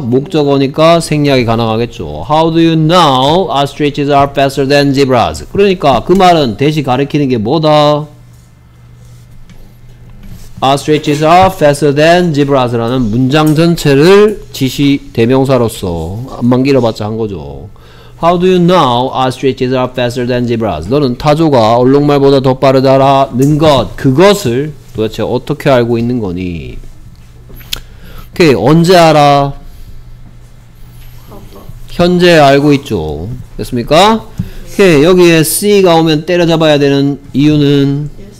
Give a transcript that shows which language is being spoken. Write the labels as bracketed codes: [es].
[ko] 목적어니까 생략이 가능하겠죠. [en] How do you know ostriches are faster than zebras? [ko] 그러니까 그 말은 that이 가리키는 게 뭐다? [en] Ostriches are faster than zebras [ko] 라는 문장 전체를 지시 대명사로서 암만 길어봤자 한 거죠. [en] How do you know ostriches are faster than zebras? [ko] 너는 타조가 얼룩말보다 더 빠르다라는 것, 그것을 도대체 어떻게 알고 있는 거니? 오케이, 언제 알아? 현재 알고 있죠. 됐습니까? 오케이, 여기에 C가 오면 때려잡아야 되는 이유는?